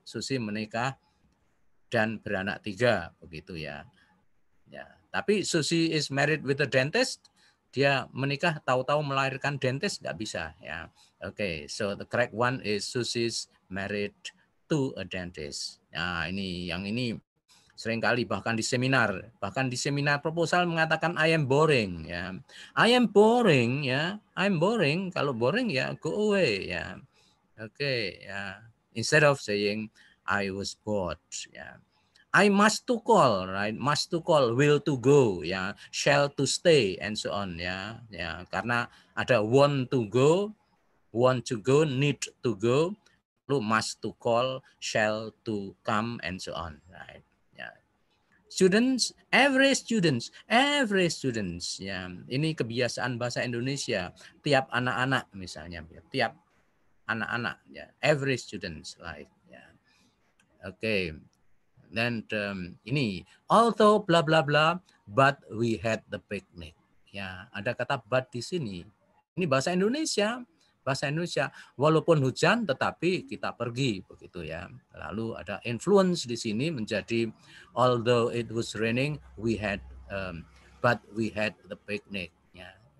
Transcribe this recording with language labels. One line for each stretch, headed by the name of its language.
Indonesian: Susie menikah dan beranak 3, begitu ya.
English: Ya, tapi Susie is married with a dentist.
Indonesian: Dia menikah tahu-tahu melahirkan dentist, nggak bisa ya.
English: Okay, so the correct one is Susie's married to a dentist.
Indonesian: Nah, ini yang ini seringkali bahkan di seminar proposal mengatakan
English: I am boring
Indonesian: ya.
English: I am boring ya. I'm boring. Kalau boring ya go away ya. Okay, ya. Instead of saying I was bored, yeah. I must to call, right? Must to call, will to go, yeah. Shall to stay, and so on, yeah. Yeah, karena ada want to go, need to go, lu must to call, shall to come, and so on, right? Yeah. Students, yeah.
Indonesian: Ini kebiasaan bahasa Indonesia. Tiap anak-anak, misalnya, tiap anak-anak, yeah.
English: Every students, like. Okay, then ini although blah blah blah, but we had the picnic.
Indonesian: Ya, ada kata but di sini. Ini bahasa Indonesia. Walaupun hujan, tetapi kita pergi, begitu ya. Lalu ada influence di sini menjadi
English: although it was raining, we had but we had the picnic.
Indonesian: Ya.